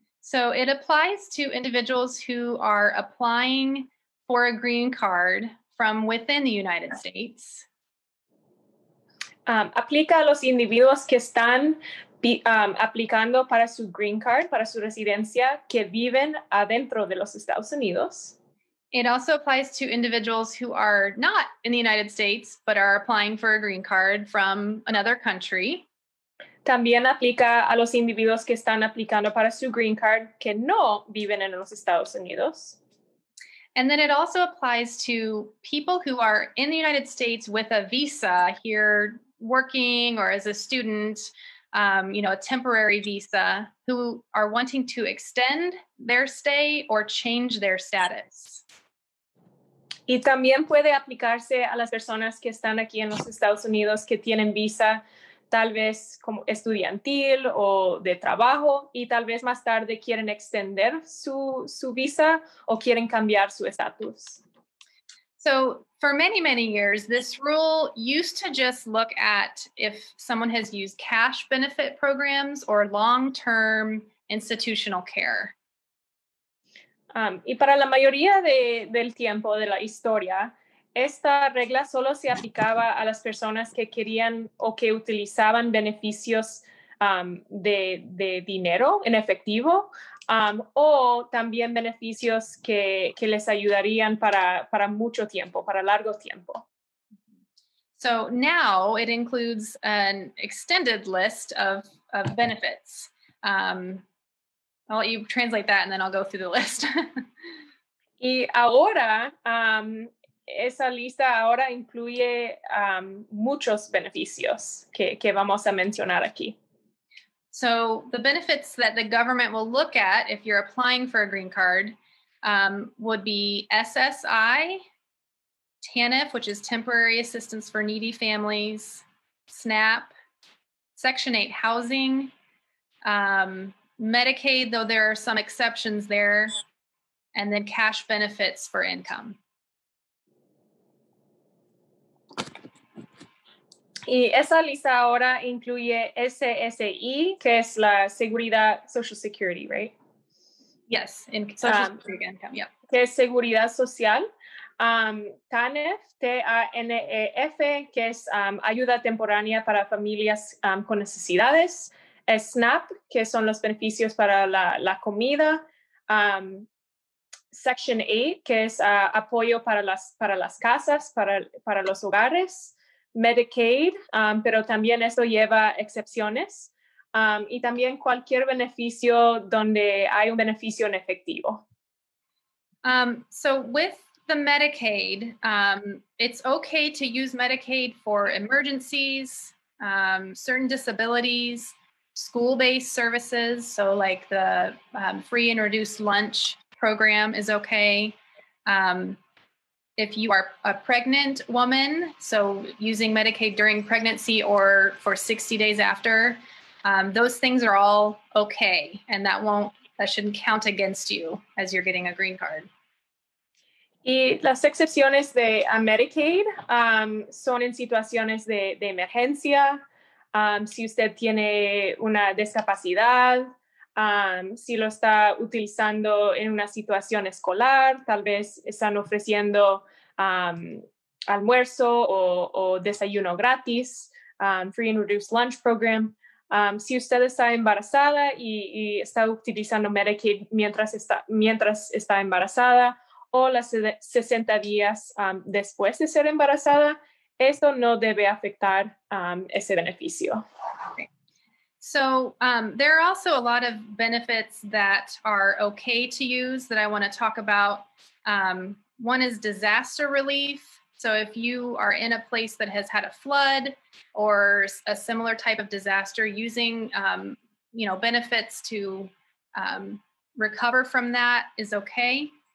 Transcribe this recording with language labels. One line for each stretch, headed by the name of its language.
English: So it applies to individuals who are applying for a green card from within the United States.
Spanish: Aplica a los individuos que están aplicando para su green card, para su residencia, que viven adentro de los Estados Unidos.
English: It also applies to individuals who are not in the United States, but are applying for a green card from another country.
Spanish: También aplica a los individuos que están aplicando para su green card, que no viven en los Estados Unidos.
English: And then it also applies to people who are in the United States with a visa here working or as a student, you know, a temporary visa, who are wanting to extend their stay or change their status.
Spanish: Y también puede aplicarse a las personas que están aquí en los Estados Unidos que tienen visa, tal vez como estudiantil o de trabajo, y tal vez más tarde quieren extender su visa o quieren cambiar su estatus.
English: So for many, many years, this rule used to just look at if someone has used cash benefit programs or long-term institutional care.
Spanish: Y para la mayoría del tiempo de la historia, esta regla solo se aplicaba a las personas que querían o que utilizaban beneficios de dinero en efectivo, o también beneficios que les ayudarían para mucho tiempo, para largo tiempo.
English: So now it includes an extended list of benefits. I'll let you translate that and then I'll go through the list.
Spanish: Y ahora, esa lista ahora incluye muchos beneficios que vamos a mencionar aquí.
English: So the benefits that the government will look at if you're applying for a green card would be SSI, TANF, which is Temporary Assistance for Needy Families, SNAP, Section 8 housing, Medicaid, though there are some exceptions there, and then cash benefits for income.
Spanish: Y esa lista ahora incluye SSI, que es la Seguridad Social
English: Security, right? Yes, in Social Security Income, yeah.
Spanish: Que es Seguridad Social. TANF, T-A-N-E-F, que es Ayuda Temporánea para Familias con Necesidades. SNAP, que son los beneficios para la comida. Section 8, que es apoyo para las casas, para los hogares. Medicaid, pero también eso lleva excepciones, y también cualquier beneficio donde hay un beneficio en efectivo.
English: So with the Medicaid, it's okay to use Medicaid for emergencies, certain disabilities, school-based services, so like the free and reduced lunch program is okay. If you are a pregnant woman, so using Medicaid during pregnancy or for 60 days after, those things are all okay. And that shouldn't count against you as you're getting a green card.
Spanish: Y las excepciones de Medicaid son en situaciones de emergencia, si usted tiene una discapacidad, si lo está utilizando en una situación escolar, tal vez están ofreciendo almuerzo o desayuno gratis,
English: free and reduced lunch program.
Spanish: Si usted está embarazada y está utilizando Medicaid mientras está embarazada o las 60 días después de ser embarazada, esto no debe afectar ese beneficio.
English: So there are also a lot of benefits that are okay to use that I want to talk about. One is disaster relief. So if you are in a place that has had a flood or a similar type of disaster, using you know, benefits to recover from that is okay.